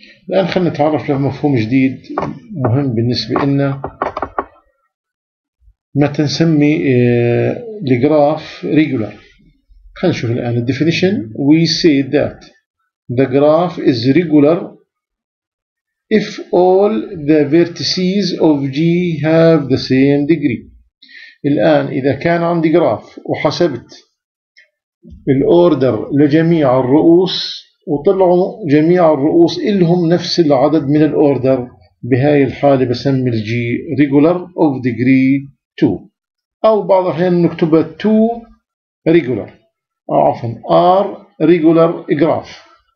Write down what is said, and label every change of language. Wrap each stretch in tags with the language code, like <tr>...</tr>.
<ar>الآن خلينا نتعرف على مفهوم جديد مهم بالنسبة لنا، متى نسمي الجراف ريجولار. خلينا نشوف الآن الديفينيشن.</ar> <en>We see that The graph is regular if all the vertices of G have the same degree.</en> <ar>الآن إذا كان عندي جراف وحسبت الأوردر لجميع الرؤوس وطلعوا جميع الرؤوس إلهم نفس العدد من الأوردر، بهاي الحالة بسمي الـ</ar> <en>G regular of degree 2،</en> <ar>أو بعض الأحيان نكتبها</ar> <en>2 regular،</en> <ar>أو عفوا</ar> <en>R regular graph.</en>